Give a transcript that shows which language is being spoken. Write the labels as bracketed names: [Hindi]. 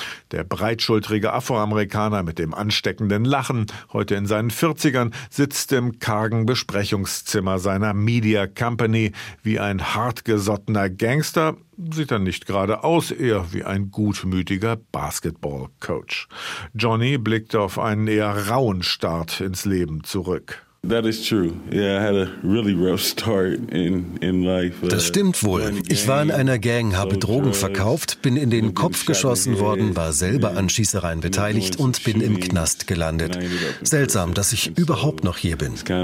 [German] Der breitschultrige Afroamerikaner mit dem ansteckenden Lachen, heute in seinen 40ern, sitzt im kargen Besprechungszimmer seiner Media Company wie ein hartgesottener Gangster. Sieht er nicht gerade aus, eher wie ein gutmütiger Basketball-Coach. Johnny blickt auf einen eher rauen Start ins Leben zurück. [English] That is true. Yeah, I had a really rough start in life. [German] Das stimmt wohl. Ich war in einer Gang, habe Drogen verkauft, bin in den Kopf geschossen worden, war selber an Schießereien beteiligt und bin im Knast gelandet. Seltsam, dass ich überhaupt noch hier bin.